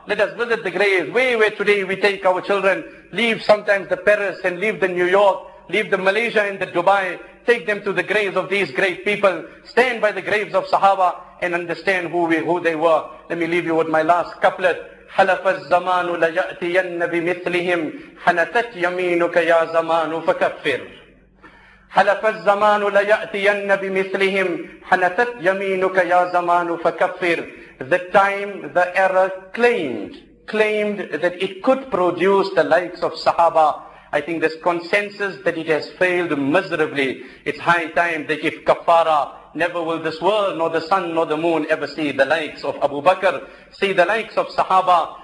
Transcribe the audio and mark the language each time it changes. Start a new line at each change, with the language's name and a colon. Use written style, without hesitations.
English: Let us visit the graves. Where today we take our children, leave sometimes the Paris and leave the New York, leave the Malaysia and the Dubai. Take them to the graves of these great people. Stand by the graves of Sahaba and understand who they were. Let me leave you with my last couplet.
Arabic: حلف الزمان ليأتين بمثلهم حنثت يمينك يا زمان فكفر. حلف الزمان ليأتين بمثلهم حنثت يمينك يا زمان فكفر.
English: The time, the era claimed that it could produce the likes of Sahaba. I think there's consensus that it has failed miserably. It's high time they give kafara. Never will this world, nor the sun, nor the moon ever see the likes of Abu Bakr, see the likes of Sahaba.